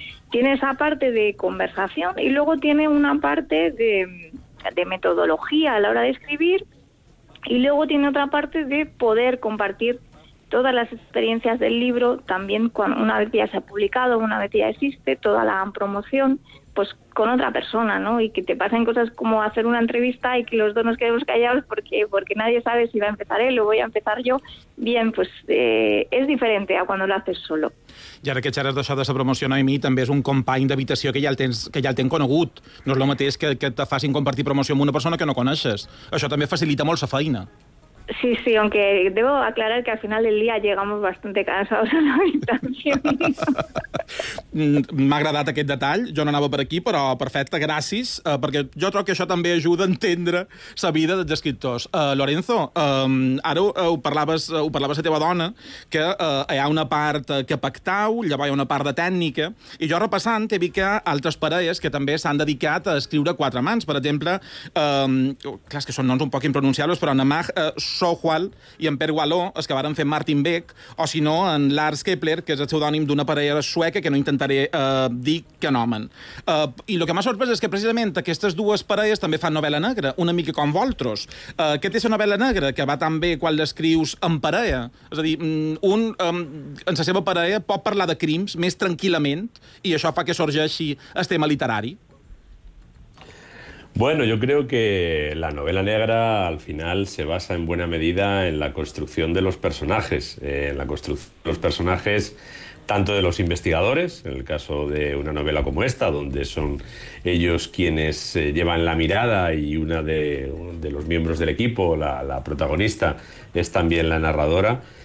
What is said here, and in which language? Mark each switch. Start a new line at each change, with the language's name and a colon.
Spanish: Tiene esa parte de conversación y luego tiene una parte de metodología a la hora de escribir, y luego tiene otra parte de poder compartir todas las experiencias del libro también cuando, una vez ya se ha publicado, una vez ya existe toda la promoción, pues con otra persona, ¿no? Y que te pasen cosas como hacer una entrevista y que los dos nos quedemos callados porque nadie sabe si va a empezar él o voy a empezar yo. Bien, pues es diferente a cuando lo haces solo.
Catalan: I ara que xerres d'això de la promoció, Noemí, també és un company d'habitació que ja el tens conegut. No és el mateix que te facin compartir promoció amb una persona que no coneixes. Això també facilita molt la feina.
Spanish: Sí, aunque debo aclarar que al final del día llegamos bastante cansados a la habitación.
Catalan: M'ha agradat aquest detall, jo no anava per aquí, però perfecte, gràcies, perquè jo trobo que això també ajuda a entendre la vida dels escriptors. Lorenzo, ara ho parlaves a teva dona, que hi ha una part que pactau, llavors hi ha una part de tècnica, i jo repassant he vist que altres parelles que també s'han dedicat a escriure quatre mans, per exemple, clar, és que són noms un poc impronunciables, però Namaj Sohwal i en Per Waló, els que varen fer Martin Beck, o si no, en Lars Kepler, que és el pseudònim d'una parella sueca que no intentaré dir que nomen. I el que m'ha sorprès és que precisament aquestes dues parelles també fan novel·la negra, una mica com vosaltres. Què té la novel·la negra, que va tan bé quan l'escrius en parella? És a dir, un en la seva parella pot parlar de crims més tranquil·lament i això fa que sorgeixi el tema literari.
Spanish: Bueno, yo creo que la novela negra al final se basa en buena medida en la construcción de los personajes, en la construcción de los personajes tanto de los investigadores, en el caso de una novela como esta, donde son ellos quienes llevan la mirada y una de los miembros del equipo, la protagonista, es también la narradora.